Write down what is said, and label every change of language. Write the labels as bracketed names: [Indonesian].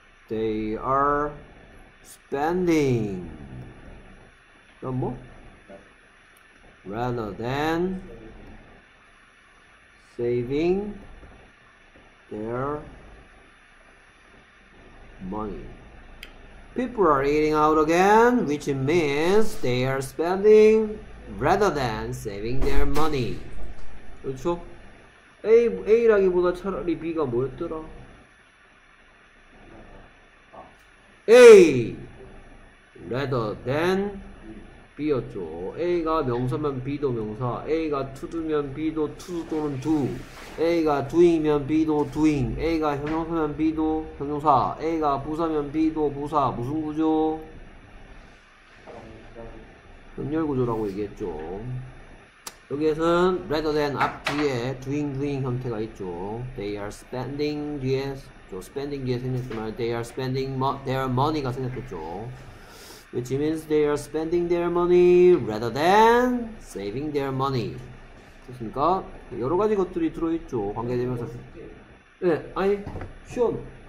[English] they are spending some more rather than saving. their money. People are eating out again, which means they are spending rather than saving their money. [Korean] 그렇죠? A라기보다 차라리 B가 뭐였더라? [English] A rather than B였죠. [Korean] A가 명사면 B도 명사. A가 to do면 B도 to 또는 do. A가 doing이면 B도 doing. A가 형용사면 B도 형용사. A가 부사면 B도 부사. 무슨 구조? 병렬 구조라고 얘기했죠. 여기에서는 rather than 앞 뒤에 doing doing 형태가 있죠. [English] They are spending 뒤에 또 spending [Korean] 뒤에 생겼지만 [English] they are spending their money가 생겼겠죠. Which means they are spending their money rather than saving their money. [Korean] 그렇습니까? 여러 가지 것들이 들어있죠. 관계되면서. 네, 아니, 시원.